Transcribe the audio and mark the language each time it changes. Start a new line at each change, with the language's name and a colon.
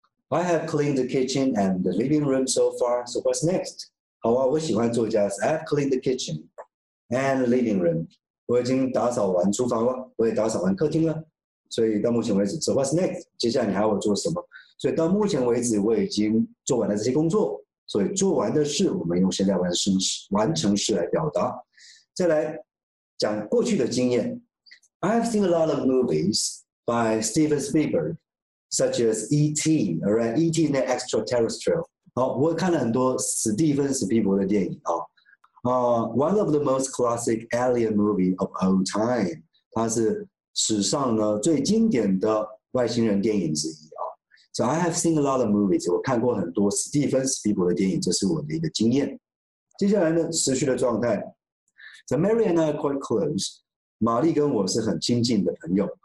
English: I have cleaned the kitchen and the living room so far. So what's next?
Chinese: 好啊，我喜欢做家事。
English: I have cleaned the kitchen and the living room.
Chinese: 我已经打扫完厨房了，我也打扫完客厅了。所以到目前为止 ，
English: So what's next?
Chinese: 接下来你还要我做什么？所以到目前为止，我已经做完了这些工作。所以做完的事，我们用现在完成式来表达。再来讲过去的经验
English: ，I've seen a lot of movies by Steven Spielberg, such as E.T. Alright, E.T. and the Extraterrestrial.
Chinese: 好，我看了很多史蒂芬·斯皮伯的电影啊。
English: One of the most classic alien movie of all time.
Chinese: 它是史上呢最经典的外星人电影之一。
English: So I have seen a lot of movies.
Chinese: 我看过很多史蒂芬·斯皮伯的电影，这是我的一个经验。接下来呢，持续的状态。
English: So Mary and I are quite close.
Chinese: 玛丽跟我是很亲近的朋友。